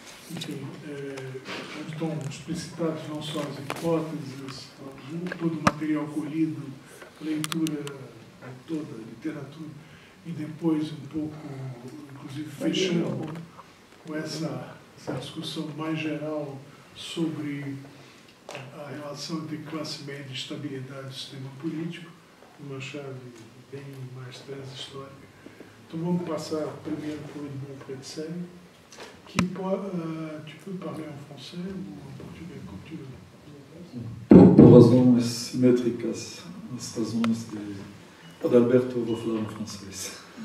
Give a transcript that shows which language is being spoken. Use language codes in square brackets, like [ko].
[pt] Enfim, estão explicitadas não só as hipóteses, todo o material colhido, leitura de toda a literatura, e depois um pouco, inclusive, fechando com essa discussão mais geral sobre a relação entre classe média e estabilidade do sistema político, uma chave bem mais transitória. Então vamos passar primeiro para o Edmond Fredsen, que pode... [fr] Tu peux parler en français ou en portugais, comme tu veux. [pt] Por razões simétricas, as razões de Adalberto, vou falar em francês.